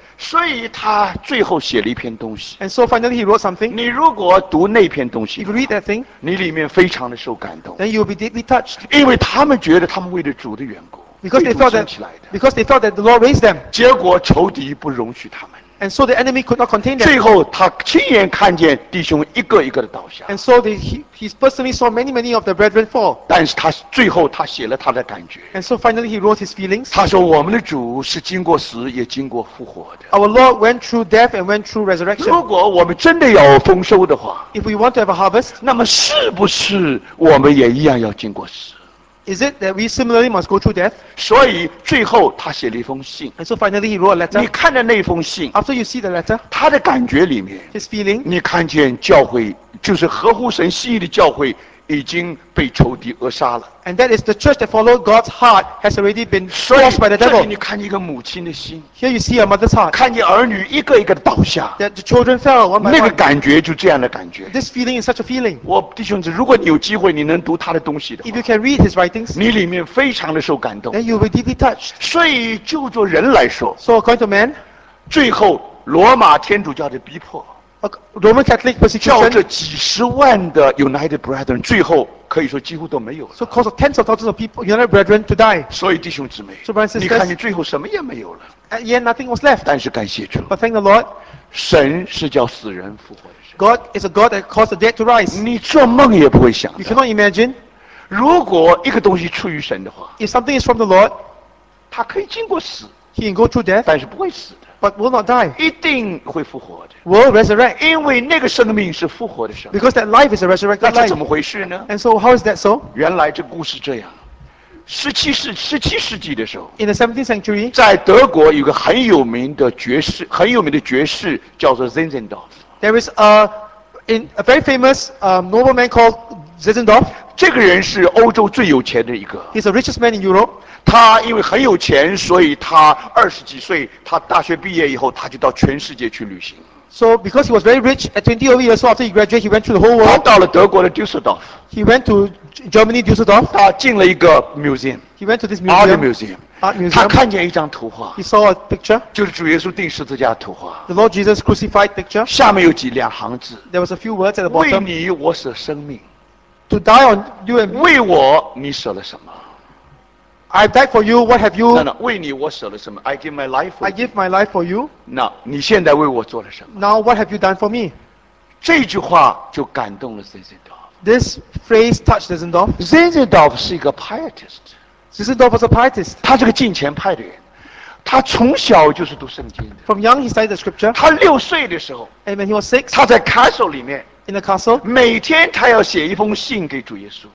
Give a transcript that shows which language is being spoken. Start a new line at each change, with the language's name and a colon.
Chinese: 所以他最后写了一篇东西。
English: And so finally he wrote something.
Chinese: 你如果读那篇东西，
English: if you read that thing,
Chinese: 你里面非常的受感动。
English: Then you'll be deeply touched.
Chinese: 因为他们觉得他们为了主的缘故。
English: Because they thought that the Lord raised them.
Chinese: 结果仇敌不容许他们。
English: And so the enemy could not contain them.
Chinese: 最后他亲眼看见弟兄一个一个的倒下。
English: And so he personally saw many of the brethren fall.
Chinese: 但是他最后他写了他的感觉。
English: And so finally he wrote his feelings.
Chinese: 他说我们的主是经过死也经过复活的。
English: Our Lord went through death and went through resurrection.
Chinese: 如果我们真的要丰收的话，
English: if we want to have a harvest,
Chinese: 那么是不是我们也一样要经过死？
English: Is it that we similarly must go through death?
Chinese: 所以最后他写了一封信。
English: And so finally he wrote a letter.
Chinese: 你看着那封信。
English: After you see the letter.
Chinese: 他的感觉里面。
English: His feeling.
Chinese: 你看见教会，就是合乎神心意的教会，已经被仇敌扼杀了。
English: And that is the church that followed God's heart has already been crushed by the devil.
Chinese: 所以这里你看见一个母亲的心。
English: Here you see a mother's heart.
Chinese: 看见儿女一个一个的倒下。
English: That the children fell one by one.
Chinese: 那个感觉就这样的感觉。
English: This feeling is such a feeling.
Chinese: 我弟兄子，如果你有机会，你能读他的东西的话。
English: If you can read his writings.
Chinese: 你里面非常的受感动。
English: Then you will deeply touched.
Chinese: 所以就做人来说。
English: So according to man.
Chinese: 最后罗马天主教的逼迫。
English: Roman Catholic persecution.
Chinese: 叫这几十万的 United Brethren 最后可以说几乎都没有了。
English: So cause of tens of thousands of people, United Brethren to die.
Chinese: 所以弟兄姊妹，
English: so、sisters,
Chinese: 你看你最后什么也没有了。
English: Yet nothing was left.
Chinese: 但是感谢主。
English: But thank the Lord.
Chinese: 神是叫死人复活的神。
English: God is a God that caused the dead to rise.
Chinese: 你做梦也不会想的。
English: You cannot imagine.
Chinese: 如果一个东西出于神的话，
English: if something is from the Lord,
Chinese: 它可以经过死，
English: he can go through death.
Chinese: 但是不会死的。
English: But will not die.
Chinese: 一定会复活的。
English: Will resurrect.
Chinese: 因为那个生命是复活的生命。
English: Because that life is a resurrected life.
Chinese: 那是怎么回事呢？
English: And so how is that so?
Chinese: 原来这故事这样。17世纪的时候。
English: In the 17th century.
Chinese: 在德国有个很有名的爵士，很有名的爵士叫做 Zinzendorf.
English: There is a very famous nobleman called Zinzendorf.
Chinese: 这个人是欧洲最有钱的一个。
English: He's the richest man in Europe.
Chinese: 他因为很有钱，所以他二十几岁，他大学毕业以后，他就到全世界去旅行。
English: So because he was very rich at 20 years old, after he graduated, he went to the whole world.
Chinese: 他到了德国的 Düsseldorf.
English: He went to Germany, Düsseldorf.
Chinese: 他进了一个 museum.
English: He went to this museum.
Chinese: Art museum.
English: Art museum.
Chinese: 他看见一张图画。
English: He saw a picture.
Chinese: 就是主耶稣钉十字架的图画。
English: The Lord Jesus crucified picture.
Chinese: 下面有几两行字。
English: There was a few words at the bottom.
Chinese: 为你我舍生命。
English: To die on you and me.
Chinese: 为我你舍了什么？
English: I died for you. What have you? No, no.
Chinese: 为你我舍了什么？
English: I give my life for you. I give my life for you. Now,
Chinese: 你现在为我做了什么？
English: Now, what have you done for me?
Chinese: 这句话就感动了 Zinzendorf.
English: This phrase touched Zinzendorf.
Chinese: Zinzendorf 是一个 Pietist.
English: Zinzendorf was a Pietist.
Chinese: 他是个敬虔派的人。他从小就是读圣经的。
English: From young, he studied the scripture.
Chinese: 他六岁的时候。
English: And when he was six.
Chinese: 他在 castle 里面。
English: In the castle,
Chinese: 每天他要写一封信给主耶稣。